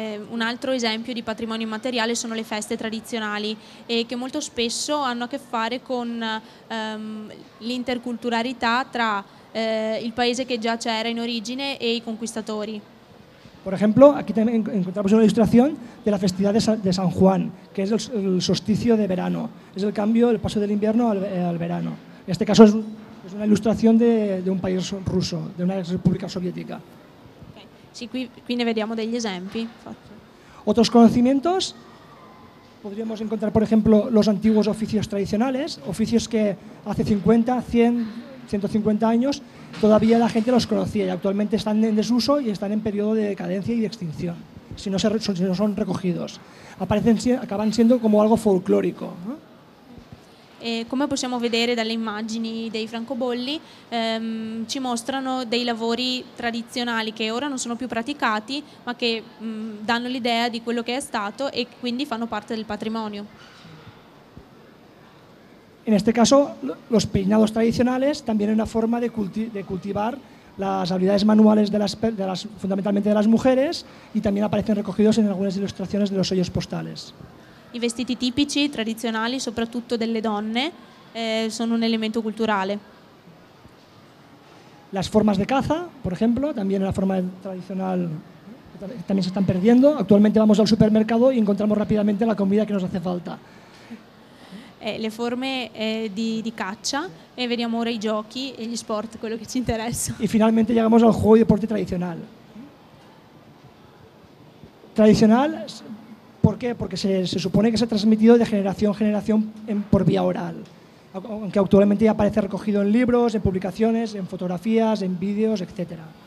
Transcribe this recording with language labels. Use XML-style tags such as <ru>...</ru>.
<it>Un altro esempio di patrimonio immateriale sono le feste tradizionali, che molto spesso hanno a che fare con l'interculturalità tra il paese che già c'era in origine e i conquistatori.</it> <es>Por ejemplo, aquí encontramos una ilustración de la festividad de San Juan, que es el solsticio de verano, es el cambio, el paso del invierno al verano. En este caso es una ilustración de un país ruso, de una república soviética. Sí, aquí</es> <it>ne vediamo degli esempi.</it> <es>Otros conocimientos podríamos encontrar, por ejemplo, los antiguos oficios tradicionales, oficios que hace 50, 100, 150 años todavía la gente los conocía y actualmente están en desuso y están en periodo de decadencia y de extinción, si no son recogidos. Acaban siendo como algo folclórico, ¿no?</es> <it>Come possiamo vedere dalle immagini dei francobolli, ci mostrano dei lavori tradizionali che ora non sono più praticati, ma che danno l'idea di quello che è stato e quindi fanno parte del patrimonio. In questo caso, i peinados tradizionali sono anche una forma di coltivare le abilità manuali, fondamentalmente delle donne, e anche appaiono recogidos in alcune illustrazioni dei sellos postali. I vestiti tipici, tradizionali, soprattutto delle donne, sono un elemento culturale. Le forme di caza, per esempio, anche la forma tradizionale, anche si stanno perdendo.</it> <es>Attualmente vamos al supermercato e encontramos rapidamente la comida che nos hace falta.</es> <it>Le forme di caccia e vediamo ora i giochi e gli sport, quello che ci interessa. E finalmente arriviamo al gioco di deporte tradizionale. Tradizionale.</it> <es>¿Por qué? Porque se supone que se ha transmitido de generación en generación por vía oral, aunque actualmente ya aparece recogido en libros, en publicaciones, en fotografías, en vídeos, etc.</es>